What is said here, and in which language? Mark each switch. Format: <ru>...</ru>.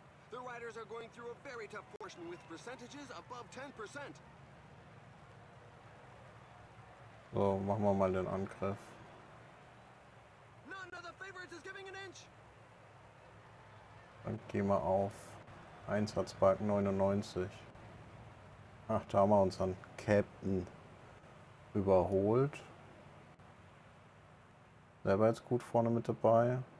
<en>The riders are going through a very tough portion with percentages above 10%.</en> <de>So, machen wir mal den Angriff.</de> <en>None of the favorites is giving an inch.</en> <de>Dann gehen wir auf Einsatzbalken 99. Ach, da haben wir unseren Captain überholt. Selber jetzt gut vorne mit dabei.</de>